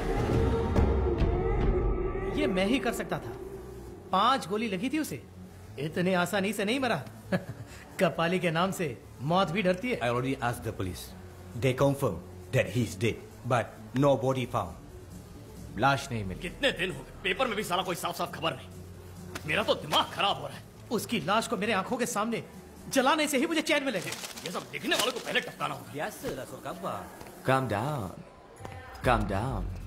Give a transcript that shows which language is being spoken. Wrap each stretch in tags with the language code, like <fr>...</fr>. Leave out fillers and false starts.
<hi>मैं ही कर सकता था। 5 गोली लगी थी उसे, इतने आसानी से नहीं मरा। कपाली के नाम से मौत भी डरती है।</hi> <en>I already asked the police. They confirm that he's dead, but no body found.</en> <hi>लाश नहीं मिली। कितने दिन हो गए? पेपर में भी साला कोई साफ साफ खबर नहीं। मेरा तो दिमाग खराब हो रहा है। उसकी लाश को मेरे आंखों के सामने जलाने से ही मुझे चैन मिलेगा। ये सब देखने वालों को पहले टपकाना होगा।</hi> <en>Yes, sir, Rasul Kabba. Calm down. Calm down.</en>